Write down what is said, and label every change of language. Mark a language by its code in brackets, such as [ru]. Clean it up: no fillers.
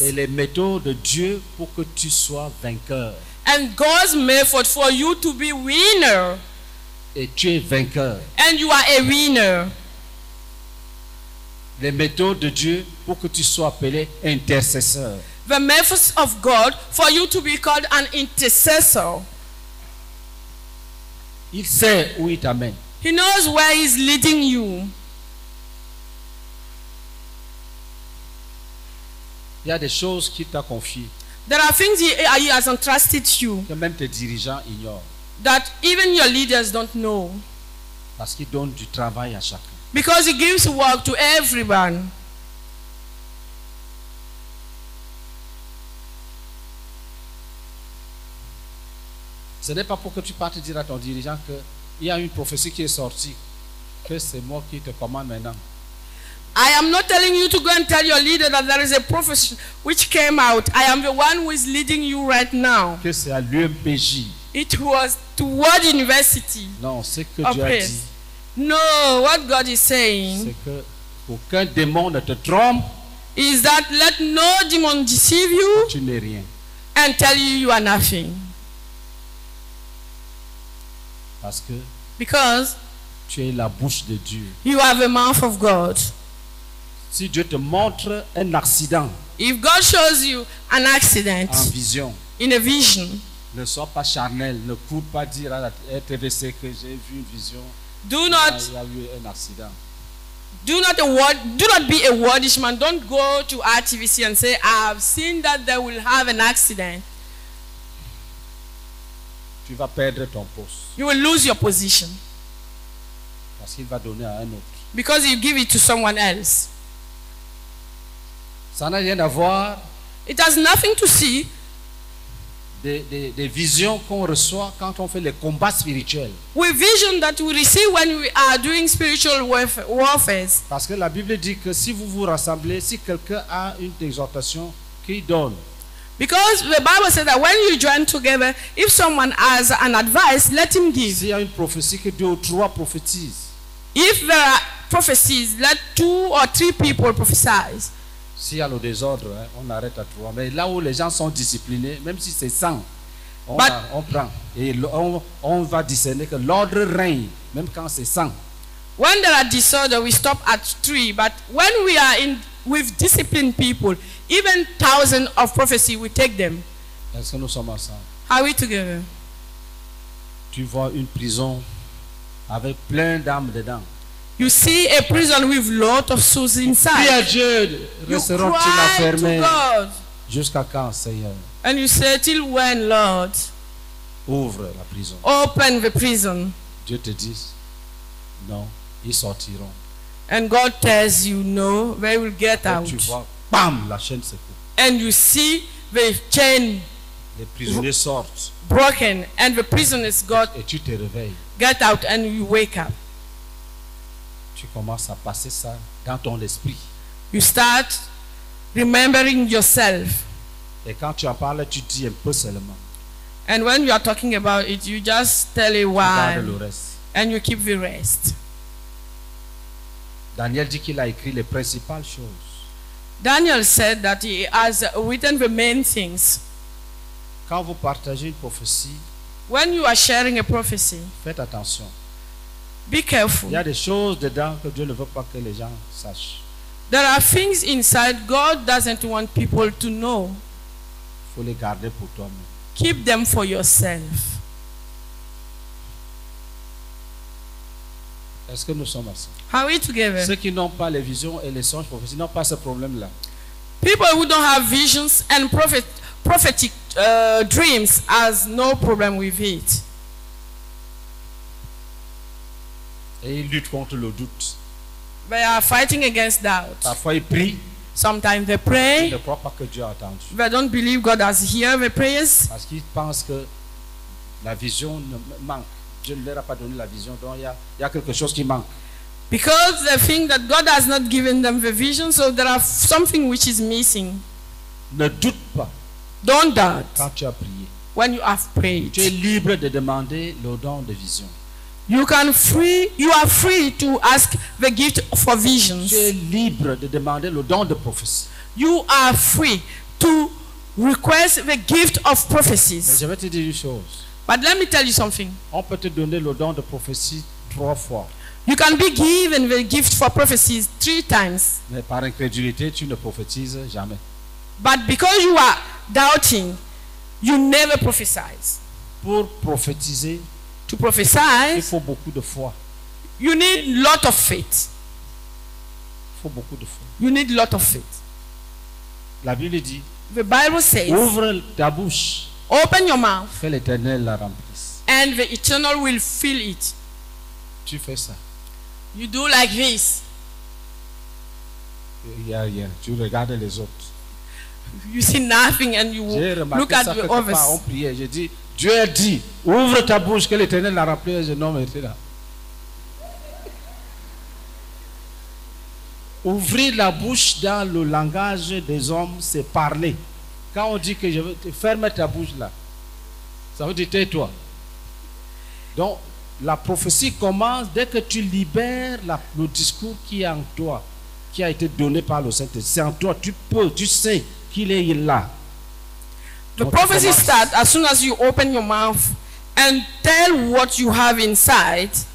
[fr] Et les méthodes de Dieu pour que tu sois vainqueur. [en] And God's method for you to be winner. [fr] Et tu es vainqueur. [en] And you are a winner. [fr] Les méthodes de Dieu pour que tu sois appelé intercesseur. [en] The methods of God for you to be called an intercessor. [fr] Il sait où il t'amène. [en] He knows where he's leading you. [fr] Il y a des choses qu'il t'a confiées. [en] There are things he has entrusted you. [fr] Que même tes dirigeants ignorent. [en] That even your leaders don't know. [fr] Parce qu'il donne du travail à chacun. [en] Because he gives work to everyone. [fr] Ce n'est pas pour que tu partes dire à ton dirigeant que il y a une prophétie qui est sortie, que c'est moi qui te commande maintenant. [en] I am not telling you to go and tell your leader that there is a prophecy which came out. I am the one who is leading you right now. [fr] Que c'est à l'UMPJ. [en] It was toward university. [fr] Non, ce que Dieu a dit. [en] No, what God is saying. [fr] C'est que aucun démon ne te trompe. [en] Is that let no demon deceive you? [fr] Tu n'es rien. [en] And tell you you are nothing. [fr] Parce que. [en] Because. [fr] Tu es la bouche de Dieu. [en] You are the mouth of God. [fr] Si Dieu te montre un accident, [en] if God shows you an accident, [fr] en vision, [en] in a vision, [fr] ne sois pas charnel, ne cours pas dire à la RTVC que j'ai vu une vision. [en] Do not. [fr] Il y a eu un accident. [en] Do not be a wordish man. Don't go to RTVC and say I've seen that they will have an accident. [fr] Tu vas perdre ton poste. [en] You will lose your position. [fr] Parce qu'il va donner à un autre. [en] Because you give it to someone else. [fr] Ça n'a rien à voir. [en] It has nothing to see. [fr] Des visions qu'on reçoit quand on fait les combats spirituels. [en] With vision that we receive when we are doing spiritual warfare. [fr] Parce que la Bible dit que si vous vous rassemblez, si quelqu'un a une exhortation, qu'il donne. [en] Because the Bible says that when you join together, if someone has an advice, let him give. [fr] S'il y a une prophétie, que deux ou trois prophétisent. [en] If there are prophecies, let two or three people prophesy. [fr] S'il y a le désordre, on arrête à trois. Mais là où les gens sont disciplinés, même si c'est 100, on prend. Et on va discerner que l'ordre règne, même quand c'est 100. [en] When there are disorder, we stop at three. But when we are in with disciplined people, even thousands of prophecy, we take them. [fr] Est-ce que nous sommes ensemble? [en] Are we together? [fr] Tu vois une prison avec plein d'âmes dedans. [en] You see a prison with lot of souls inside. [fr] Prie à Dieu, resteront-ils enfermés? [en] You cry to God. [fr] Jusqu'à quand, Seigneur? [en] And you say, till when, Lord? [fr] Ouvre la prison. [en] Open the prison. [fr] Dieu te dit, non, ils sortiront. [en] And God tells you, no, they will get out. [fr] Et tu vois, bam, la chaîne se coupe. [en] And you see the chain. [fr] Les prisonniers sortent. [en] Broken, and the prisoners got. [fr] Et tu te réveilles. [en] Get out, and you wake up. [fr] Tu commences à passer ça dans ton esprit. [en] You start remembering yourself. [fr] Et quand tu en parles, tu dis un peu seulement. [en] And when you are talking about it, you just tell a while. [fr] Garde le reste. [en] And you keep the rest. [fr] Daniel dit qu'il a écrit les principales choses. [en] Daniel said that he has written the main things. [fr] Quand vous partagez une prophétie, [en] when you are sharing a prophecy, [fr] faites attention. [en] Be careful. [fr] Il y a des choses dedans que Dieu ne veut pas que les gens sachent. [en] There are things inside God doesn't want people to know. [fr] Faut les garder pour toi-même. [en] Keep them for yourself. [fr] Est-ce que nous sommes ensemble? [en] Are we together? [fr] Ceux qui n'ont pas les visions et les songes prophétiques n'ont pas ce problème-là. [en] People who don't have visions and prophetic dreams has no problem with it. [fr] Et ils luttent contre le doute. [en] They are fighting against doubt. [fr] Parfois ils prient. [en] Sometimes they pray. [fr] Ils ne croient pas que Dieu a entendu. [en] They don't believe God has heard their prayers. [fr] Parce qu'ils pensent que la vision manque. Dieu ne leur a pas donné la vision, donc il y a quelque chose qui manque. [en] Because they think that God has not given them the vision, so there is something which is missing. [fr] Ne doute pas. [en] Don't doubt. [fr] Quand tu as prié. [en] When you have prayed. [fr] Tu es libre de demander le don de vision. [en] You are free to ask the gift for visions. [fr] Tu es libre de demander le don de prophétie. [en] You are free to request the gift of prophecies. [fr] Mais je vais te dire une chose. [en] But let me tell you something. [fr] On peut te donner le don de prophétie trois fois. [en] You can be given the gift for prophecies three times. [fr] Mais par incrédulité, tu ne prophétises jamais. [en] But because you are doubting, you never prophesize. [fr] Pour prophétiser, [en] to prophesy, [fr] il faut beaucoup de foi. [en] You need a lot of faith. [fr] Il faut beaucoup de foi. [en] You need a lot of faith. [fr] La Bible dit, [en] the Bible says, [fr] ouvre ta bouche. [en] Open your mouth. [fr] Que l'Éternel la remplisse. [en] And the Eternal will fill it. [fr] Tu fais ça. [en] You do like this. Yeah, yeah. [fr] Tu regardes les autres. [en] You see nothing and you look at the others. [fr] On priait. J'ai dit, Dieu a dit, ouvre ta bouche que l'Éternel la remplisse. Je n'en mettais là. Ouvrir la bouche dans le langage des hommes, c'est parler. Quand on dit que je veux te fermer ta bouche là, ça veut dire tais-toi. Donc, la prophétie commence dès que tu libères le discours qui est en toi, qui a été donné par le Saint-Esprit. C'est en toi, tu peux, tu sais qu'il est là. [en] The prophecy starts as soon as you open your mouth and tell what you have inside.